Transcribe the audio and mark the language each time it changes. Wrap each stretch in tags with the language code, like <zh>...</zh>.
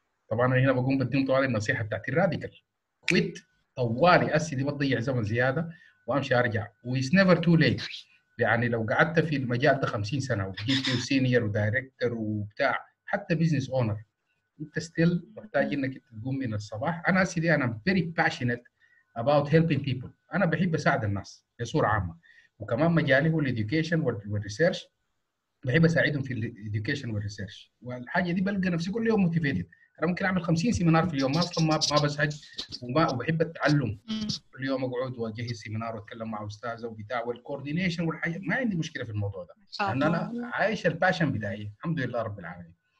<ar>طبعاً أنا هنا بقوم بديهم طوالي النصيحة بتاعتي الراديكال. كويت طوالي أسي دي بضيع زمن زيادة وأمشي أرجع.</ar> <en>It's never too late.</en> <ar>يعني لو قعدت في المجال ده 50 سنة وجيت سينير ودايركتر وبتاع حتى بيزنس أونر, أنت ستيل محتاج إنك تقوم من الصباح. أنا أسي دي أنا</ar> <en>very passionate about helping people.</en> <ar>أنا بحب أساعد الناس بصورة عامة, وكمان مجالي هو الإديوكيشن والريسيرش, بحب أساعدهم في الإديوكيشن والريسيرش. والحاجة دي بلقى نفسي كل يوم motivated. انا ممكن اعمل 50 سيمينار في اليوم، ما اصلا ما بزهج وبحب التعلم. كل يوم اقعد واجهز سيمينار واتكلم مع استاذه وبتاع والكوردينيشن والحياة، ما عندي مشكله في الموضوع ده لان انا عايش الباشن بتاعي الحمد لله رب العالمين.</ar>